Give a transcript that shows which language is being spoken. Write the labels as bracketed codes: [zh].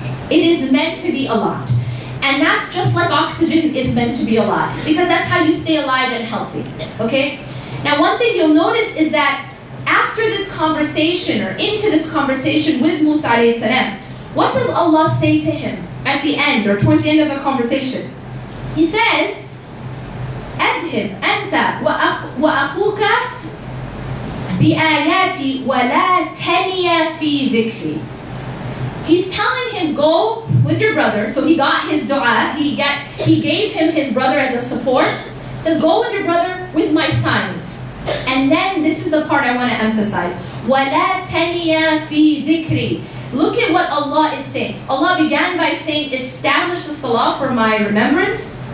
[en] It is meant to be a lot. And that's just like oxygen is meant to be alive. Because that's how you stay alive and healthy. Okay? Now one thing you'll notice is that after this conversation or into this conversation with Musa alayhi salam, what does Allah say to him at the end or towards the end of the conversation? He says, [ar] أَذْهِبْ أَنْتَ وَأَخُوكَ بِآيَاتِ وَلَا تَنِيَ فِي ذِكْرِ. [en] He's telling him, go with your brother. So he got his dua. He gave him his brother as a support. So go with your brother with my signs. And then this is the part I want to emphasize. [ar] وَلَا تَنِيَ فِي ذِكْرِ. [en] Look at what Allah is saying. Allah began by saying, establish the salah for my remembrance.